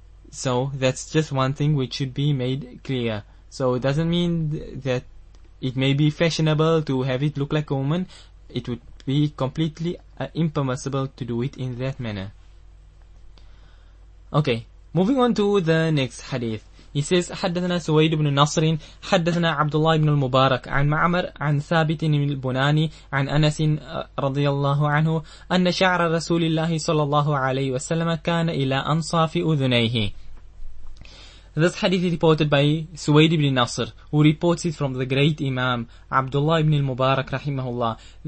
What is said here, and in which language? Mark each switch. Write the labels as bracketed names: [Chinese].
[English] So that's just one thing which should be made clear. So it doesn't mean that it may be fashionable to have it look like a woman. It would be completely impermissible to do it in that manner. Okay, moving on to the next hadith. He says, [Arabic] حدثنا سويد بن نصر حدثنا عبد الله بن المبارك عن معمر عن ثابت البناني عن أنس رضي الله عنه أن شعر رسول الله صلى الله عليه وسلم كان إلى أنصاف أذنيه. [English] This hadith is reported by Suwayd ibn Nasr, who reports it from the great Imam Abdullah ibn al-Mubarak rahimahullah.